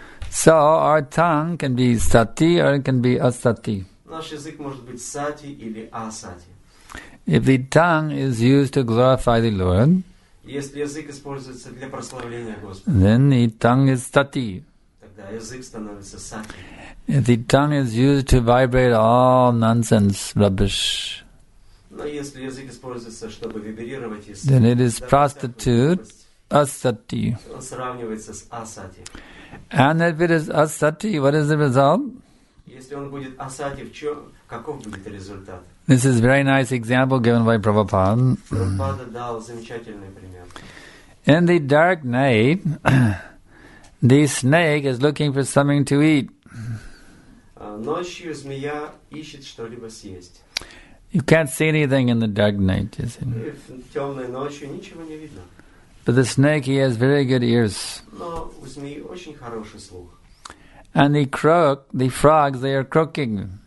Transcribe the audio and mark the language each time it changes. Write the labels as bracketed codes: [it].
[en] So our tongue can be sati or it can be asati. [ru] Наш язык может быть сати или асати. [en] If the tongue is used to glorify the Lord, [ru] если язык используется для прославления Господа, [en] then the tongue is sati. [ru] Тогда язык становится сати. [en] If the tongue is used to vibrate all nonsense, rubbish, [ru] но если язык используется, чтобы вибрировать, если [en] then it is prostitute, asati. [ru] Он сравнивается с асати. [en] And if it is asati, what is the result? [ru] Если он будет асати, в чем, каков будет результат? [en] This is a very nice example given by Prabhupada. [ru] Prabhupada дал замечательный пример. [en] In the dark night, the snake is looking for something to eat. [ru] Ночью змея ищет что-либо съесть. [en] You can't see anything in the dark night, you see. [ru] В темной ночью ничего не видно. [en] But the snake, he has very good ears. [ru] Но у змеи очень хороший слух. [en] And the croak, the frogs, they are croaking.